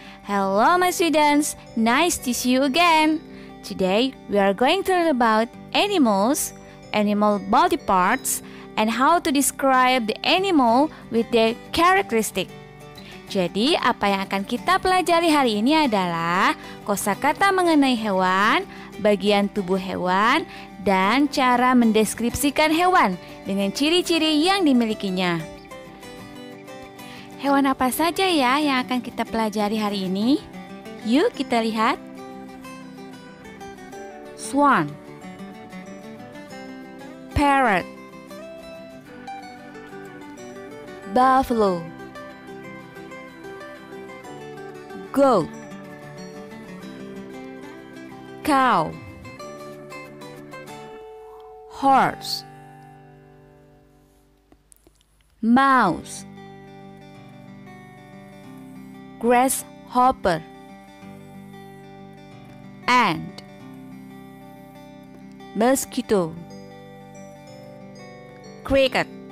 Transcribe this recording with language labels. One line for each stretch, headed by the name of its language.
English: Hello my students, nice to see you again. Today we are going to learn about animals, animal body parts, and how to describe the animal with their characteristic.
Indonesian: Jadi apa yang akan kita pelajari hari ini adalah kosakata mengenai hewan, bagian tubuh hewan, dan cara mendeskripsikan hewan dengan ciri-ciri yang dimilikinya. Hewan apa saja ya yang akan kita pelajari hari ini? Yuk kita lihat.
English: Swan, parrot, buffalo, goat, cow, horse, mouse, grasshopper, ant, mosquito, cricket,